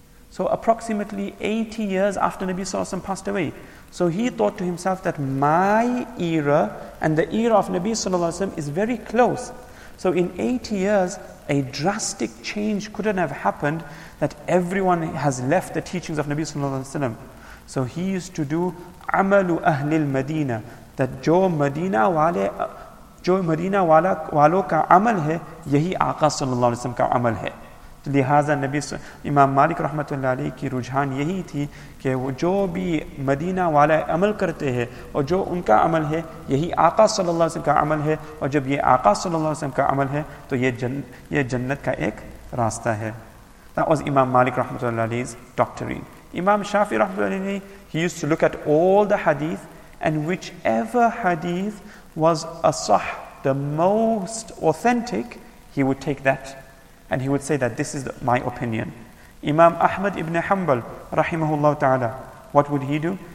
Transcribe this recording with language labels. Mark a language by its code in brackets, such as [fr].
[en] So approximately 80 years after Nabi Sallallahu Alaihi Wasallam passed away. So he thought to himself that my era and the era of Nabi Sallallahu Alaihi Wasallam is very close. So in 80 years, a drastic change couldn't have happened that everyone has left the teachings of Nabi Sallallahu Alaihi Wasallam. So he used to do [ar] عَمَلُ أَهْلِ الْمَدِينَةِ, [ur] that جو مدینہ والوں کا عمل ہے یہی آقا صلی اللہ علیہ وسلم کا عمل ہے. لہذا امام مالک رحمت اللہ علیہ کی رجحان یہی تھی کہ وہ جو بھی مدینہ والا عمل کرتے ہیں اور جو ان کا عمل ہے یہی آقا صلی اللہ علیہ وسلم کا عمل ہے, اور جب یہ آقا صلی اللہ علیہ وسلم کا عمل ہے تو یہ جنت کا ایک راستہ ہے. [en] That was Imam Malik rahmatullahi's doctrine. Imam Shafi rahmatullahi, he used to look at all the hadith, and whichever hadith was a sahih, the most authentic, he would take that and he would say that this is my opinion. Imam Ahmad ibn Hanbal rahimahullah ta'ala, what would he do?